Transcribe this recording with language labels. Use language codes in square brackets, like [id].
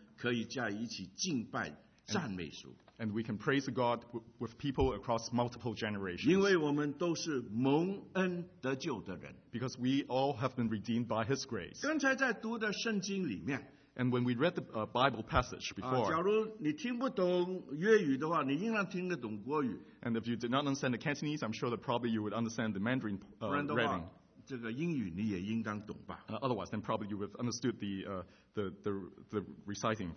[zh] 是包括许多许多那代的人可以在一起敬拜赞美主。 [en] And we can praise God with people across multiple generations. Because we all have been redeemed by His grace. And when we read the Bible passage before, and if you did not understand the Cantonese, I'm sure that probably you would understand the Mandarin reading. [zh] 这个英语你也应当懂吧? [en] Otherwise, then probably you would have understood the reciting.